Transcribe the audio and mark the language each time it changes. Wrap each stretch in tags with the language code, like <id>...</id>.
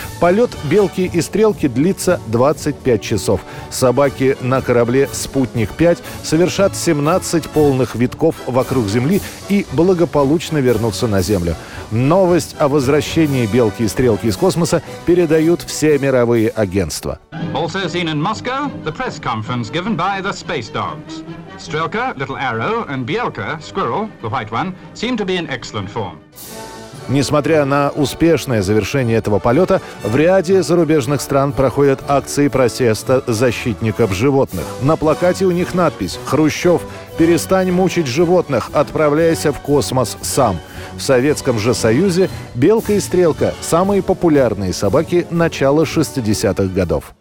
<ru>Полет «Белки» и «Стрелки» длится 25 часов. Собаки на корабле «Спутник-5» совершат 17 полных витков вокруг Земли и благополучно вернутся на Землю. Новость о возвращении «Белки» и «Стрелки» из космоса передают все мировые агентства.</ru> <en>Also seen in Moscow, the press conference given by the Space Dogs. Стрелка, Little Arrow, and Bielka, Squirrel, the white one, seem to be in excellent form.</en> <ru>Несмотря на успешное завершение этого полета, в ряде зарубежных стран проходят акции протеста защитников животных. На плакате у них надпись «Хрущев, перестань мучить животных, отправляйся в космос сам». В Советском же Союзе «Белка» и «Стрелка» — самые популярные собаки начала 60-х годов.</ru>